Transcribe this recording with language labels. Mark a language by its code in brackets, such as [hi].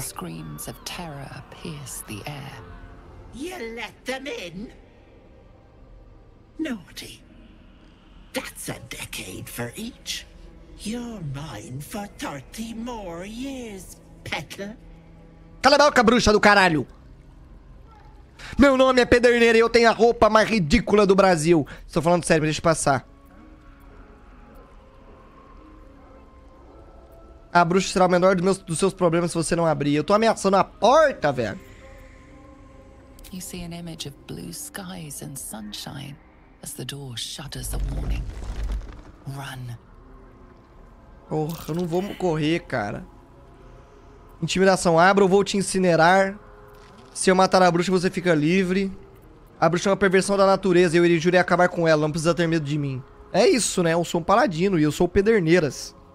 [en] Screams of terror pierce the air. You let them in? Naughty. That's a decade for each. You're mine for 30 more years, Petla. [pt] Cala a boca, bruxa do caralho! Meu nome é Pederneira e eu tenho a roupa mais ridícula do Brasil. Estou falando sério, me deixa passar. A bruxa será o menor dos seus problemas se você não abrir. Eu tô ameaçando a porta, velho. [en] You see an image of blue skies and sunshine as the door shudders a warning. Run. [pt] Porra, eu não vou correr, cara. Intimidação, abra ou vou te incinerar. Se eu matar a bruxa, você fica livre. A bruxa é uma perversão da natureza e eu jurei acabar com ela. Não precisa ter medo de mim. É isso, né? Eu sou um paladino e eu sou o Pederneiras.